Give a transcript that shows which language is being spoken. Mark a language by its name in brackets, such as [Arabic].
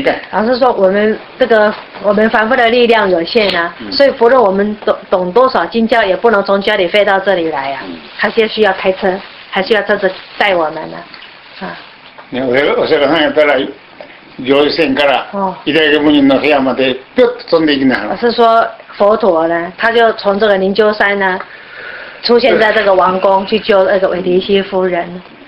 [Chinese] 老师说我们凡夫的力量有限啊，所以不论我们懂多少经教也不能从家里飞到这里来啊，还是需要开车，还需要车子带我们啊。 [Japanese] お釈迦さんやったら行船から左右門の部屋までピョッと飛んでいきなはる。 [Chinese] 老师说佛陀呢他就从这个灵鹫山呢出现在这个王宫去救那个韦提希夫人。